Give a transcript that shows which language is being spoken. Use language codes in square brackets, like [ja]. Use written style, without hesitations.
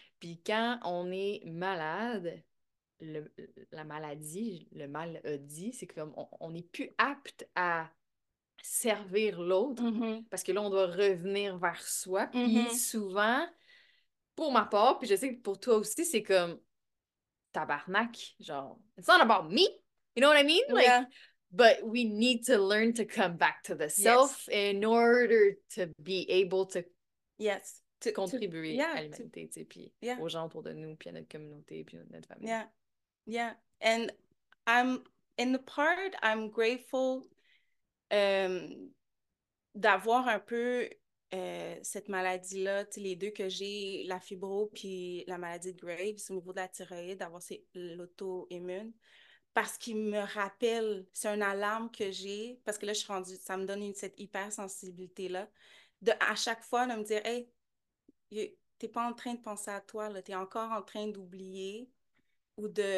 [fr] Puis quand on est malade, la maladie, le mal a dit, c'est comme on n'est plus apte à servir l'autre. Parce que là, on doit revenir vers soi. Puis souvent, pour ma part, puis je sais que pour toi aussi, c'est comme tabarnak. [en] Genre, it's not about me. You know what I mean? Like, but we need to learn to come back to the self in order to be able to Yes, [fr] contribuer à [en] to [fr] l'humanité, tu sais, puis aux gens autour de nous, puis à notre communauté, puis à notre famille. [en] And I'm in the part I'm grateful [fr] d'avoir un peu cette maladie-là, tu sais, les deux que j'ai, la fibro puis la maladie de Graves au niveau de la thyroïde, d'avoir l'auto-immune, parce qu'il me rappelle, c'est une alarme que j'ai, parce que là, je suis rendue, ça me donne cette hypersensibilité-là, de à chaque fois de me dire, hey, t'es pas en train de penser à toi, là, t'es encore en train d'oublier ou